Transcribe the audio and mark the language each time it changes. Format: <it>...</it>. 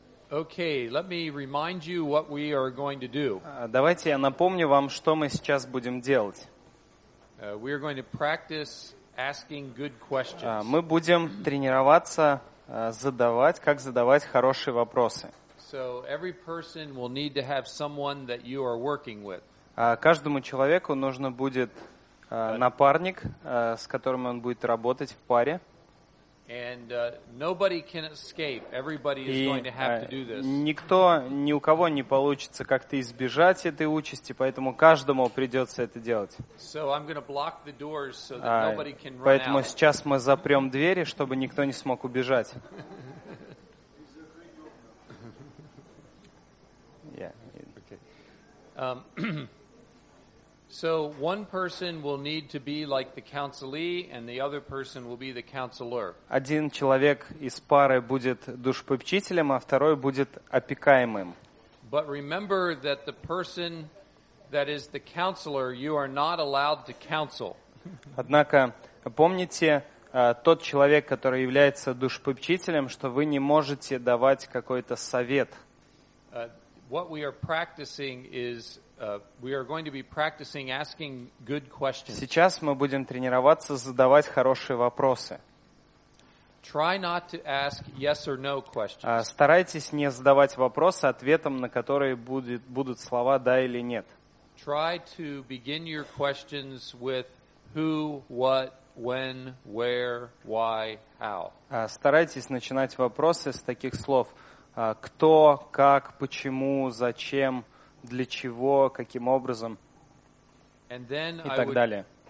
<en>Okay, let me remind you what we are going to do.</en> <ru>Давайте я напомню вам, что мы сейчас будем делать.</ru> <en>We are going to practice asking good questions.</en> <ru>Мы будем тренироваться задавать, как задавать хорошие вопросы.</ru> <en>So every person will need to have someone that you are working with.</en> <ru>Каждому человеку нужно будет напарник, с которым он будет работать в паре.</ru> <en>And nobody can escape. Everybody is going to have to do this.</en> <ru>Никто, ни у кого не получится как-то избежать этой участи, поэтому каждому придется это делать.</ru> <en>So I'm going to block the doors so that nobody can run out.</en> <ru>Поэтому сейчас мы запрем двери, чтобы никто не смог убежать.</ru> <en>So one person will need to be like the counselee, and the other person will be the counselor.</en> <ru>Один человек из пары будет душепопечителем, а второй будет опекаемым.</ru> <en>But remember that the person that is the counselor, you are not allowed to counsel.</en> <ru>Однако помните тот человек, который является душепопечителем, что вы не можете давать какой-то совет.</ru> <en>What we are practicing is we are going to be practicing asking good questions.</en> <ru>Сейчас мы будем тренироваться задавать хорошие вопросы.</ru> <en>Try not to ask yes or no questions.</en> <ru>Старайтесь не задавать вопросы, ответом на которые будут слова «да» или «нет».</ru> <en>Try to begin your questions with who, what, when, where, why, how.</en> <ru>Старайтесь начинать вопросы с таких слов «кто», «как», «почему», «зачем», для чего, каким образом и так далее.</ru>